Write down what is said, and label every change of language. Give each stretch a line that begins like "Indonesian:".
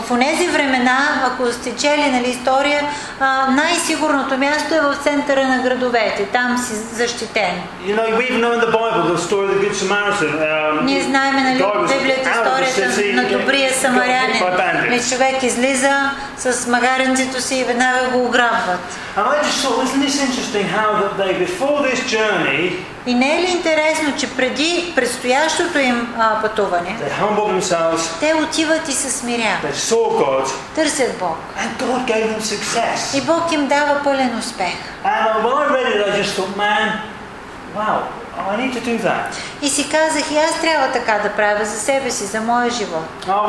Bulgarian: В онези времена, ако сте чели, нали, история, най-сигурното място е в центъра на градовете. Там си защитен.
English: You know, we know in the Bible the story of the Good Samaritan.
Bulgarian: Ние знаем, нали, в Библията историята на добрия самарянин. Човек излиза с магаренцето си и веднага го ограбват.
English: And I just thought, isn't this interesting how that they, before this journey,
Bulgarian: И не е ли интересно, че преди предстоящото им пътуване, те отиват и се смиряват. Търсят Бог.
English: And God gave them success.
Bulgarian: И Бог им дава пълен успех.
English: And when I read it, I just thought, man, wow. I need to do that.
Bulgarian: И си казах, и аз трябва така да правя за себе си, за моя живот.